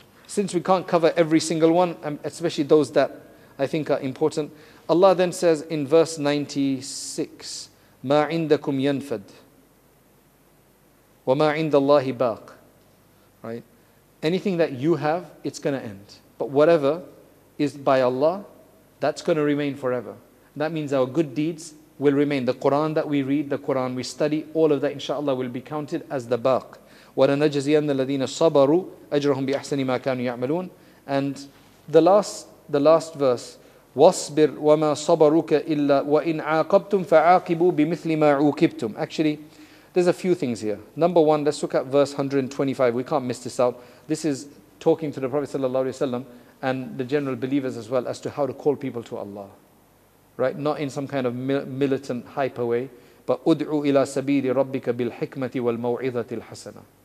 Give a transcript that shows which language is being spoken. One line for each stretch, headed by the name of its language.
English: Since we can't cover every single one, especially those that I think are important, Allah then says in verse 96,
Arabic: مَا عِنْدَكُمْ يَنْفَدْ وَمَا عِنْدَ اللَّهِ بَاقْ.
English: Right? Anything that you have, it's going to end. But whatever is by Allah, that's going to remain forever. That means our good deeds will remain. The Quran that we read, the Quran we study, all of that inshallah will be counted as the baq.
Arabic: وَلَنَجَزِيَنَّ الَّذِينَ صَبَرُوا أَجْرَهُمْ بِأَحْسَنِ مَا كَانُوا يَعْمَلُونَ.
English: And the last verse,
Arabic: وَاصْبِرْ وَمَا صَبَرُكَ إِلَّا وَإِنْ عَاقَبْتُمْ فَعَاقِبُوا بِمِثْلِ مَا عُوكِبْتُمْ.
English: Actually, there's a few things here. Number one, let's look at verse 125. We can't miss this out. This is talking to the Prophet sallallahu alaihi wasallam and the general believers as well as to how to call people to Allah. Right? Not in some kind of militant, hyper way, but
Arabic: ud'u ila sabili rabbika bil hikmati wal maw'idhati al hasana.